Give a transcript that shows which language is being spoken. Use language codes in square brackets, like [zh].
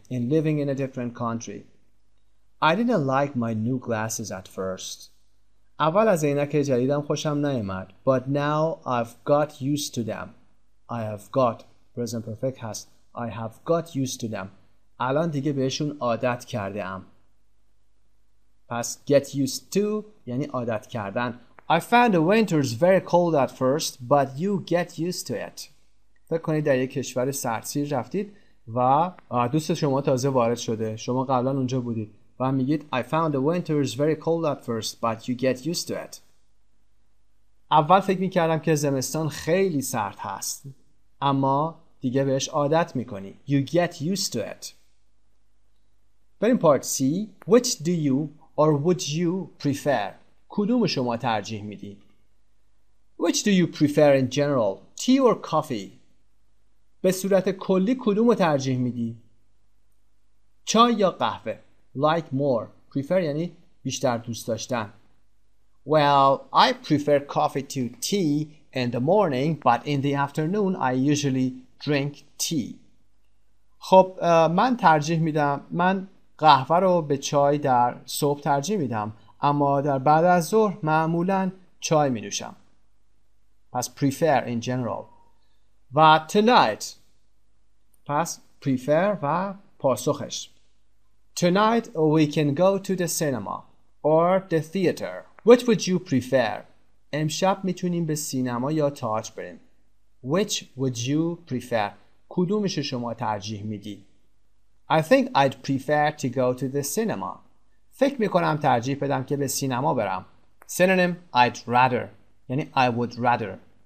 [en] In living in a different country. I didn't like my new glasses at first. [fa] اول از عینک جدیدم خوشم نیامد. [en] But now I've got used to them. I have got. Present perfect [fa] هست. [en] I have got used to them. [fa] الان دیگه بهشون عادت کرده ام. پس [en] get used to [fa] یعنی عادت کردن. [en] I found the winters very cold at first, but you get used to it. [fa] فکر کنید در یک کشور سردسیر رفتید و دوست شما تازه وارد شده. شما قبلا اونجا بودید و میگید [en] I found the winters very cold at first, but you get used to it. [fa] اول فکر میکردم که زمستان خیلی سرد هست. اما دیگه بهش عادت میکنی. [en] You get used to it. [fa] بریم پارت C. [en] Which do you or would you prefer? [fa] کدوم شما ترجیح میدی؟ [en] Which do you prefer in general? Tea or coffee? [fa] به صورت کلی کدوم رو ترجیح میدی؟ چای یا قهوه؟ [en] Like more. [fa] Prefer یعنی بیشتر دوست داشتن. [en] Well, I prefer coffee to tea in the morning, but in the afternoon I usually drink tea. [fa] خب من ترجیح میدم. من قهوه رو به چای در صبح ترجیح میدم. اما در بعد از ظهر معمولاً چای می نوشم. [en] پس prefer in general. و tonight. [fa] پس prefer و پاسخش. [en] Tonight we can go to the cinema or the theater. Which would you prefer? [fa] امشب می تونیم به سینما یا تئاتر بریم. [en] Which would you prefer? [fa] کدومش شما ترجیح می دی؟ [en] I think I'd prefer to go to the cinema. [fa] فکر میکنم ترجیح بدم که به سینما برم. [en] Synonym I'd rather یعنی I would rather.